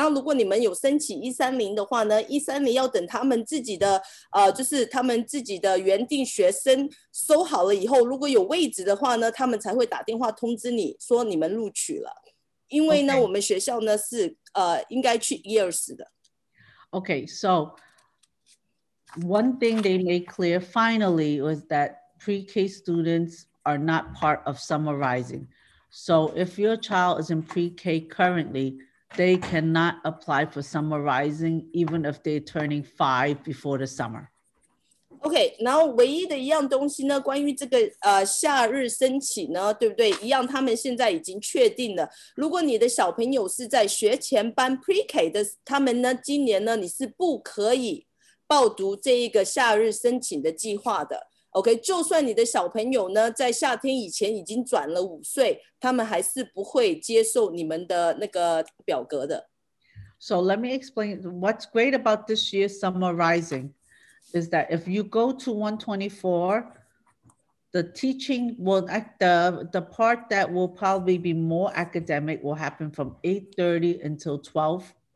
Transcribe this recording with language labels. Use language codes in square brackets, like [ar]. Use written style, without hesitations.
[zh] 那如果你们有申请130的话呢，130要等他们自己的就是他们自己的原定学生收好了以后，如果有位置的话呢，他们才会打电话通知你说你们录取了。因为呢、 okay. 我们学校呢是应该去120的。 [en] OK, so one thing they made clear finally was that pre-K studentsare not part of summer rising. So if your child is in pre-K currently, they cannot apply for summer rising even if they're turning 5 before the summer. [zh] Okay, 然后唯一的一样东西呢，关于这个夏日申请呢，对不对？一样，他们现在已经确定了。如果你的小朋友是在学前班 pre-K 的，他们呢，今年呢，你是不可以报读这一个夏日申请的计划的。 OK, 就算你的小朋友呢在夏天以前已经转了5岁，他们还是不会接受你们的那个表格的。 [en] So let me explain what's great about this year's summer rising is that if you go to 124, the teaching will, the part that will probably be more academic will happen from 8:30 until 12.